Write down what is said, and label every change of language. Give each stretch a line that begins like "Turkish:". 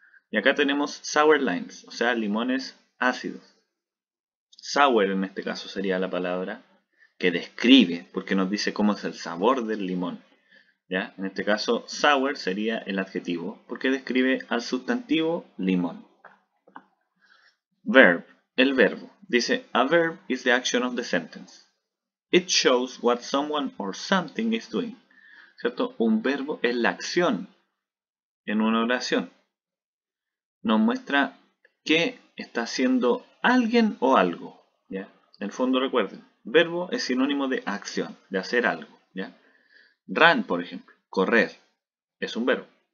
Spanish: Y acá tenemos sour limes, o sea, limones ácidos. Sour, en este caso, sería la palabra que describe, porque nos dice cómo es el sabor del limón. ¿Ya? En este caso, sour sería el adjetivo, porque describe al sustantivo limón. Verb, el verbo.
English: Dice, a verb is the action of the sentence. It shows what someone or something is doing.
Spanish: ¿Cierto? Un verbo es la acción en una oración. Nos muestra qué está haciendo alguien o algo. ¿Ya? En el fondo recuerden, verbo es sinónimo de acción, de hacer algo. ¿Ya? Run, por ejemplo, correr, es un verbo.